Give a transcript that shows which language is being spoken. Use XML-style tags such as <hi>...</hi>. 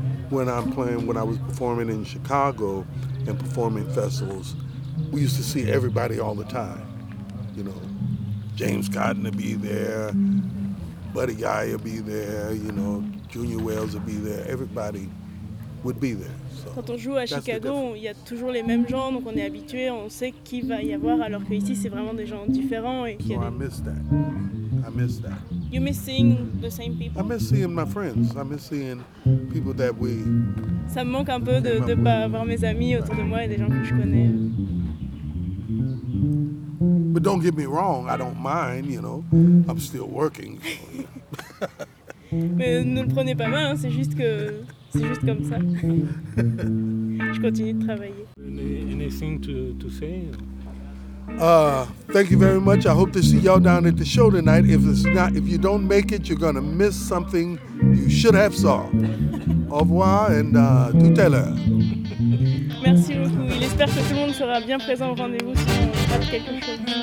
<en>When I was performing in Chicago and performing festivals, we used to see everybody all the time. You know, James Cotton would be there, Buddy Guy would be there, you know, Junior Wells would be there, everybody would be there.</en> <fr>Quand on joue à Chicago, il y a toujours les mêmes gens, donc on est habitué, on sait qui va y avoir, alors que ici c'est vraiment des gens différents. Et</fr> <en>so I miss that. I miss that. You miss seeing the same people? I miss seeing my friends. I miss seeing people that we...</en> <fr>Ça me manque un peu de ne pas avoir mes amis autour de moi et des gens que je connais.</fr> <en>But don't get me wrong, I don't mind, you know. I'm still working. So, yeah.</en> <fr>Mais ne le prenez pas mal, hein, c'est juste que... C'est juste comme ça. Je continue de travailler.</fr> <en>Anything to say? Thank you very much. I hope to see y'all down at the show tonight. If you don't make it, you're gonna miss something you should have saw.</en> <fr>Au revoir and tout à l'heure. Merci beaucoup. Il espère que tout le monde sera bien présent au rendez-vous si on rate quelque chose.</fr>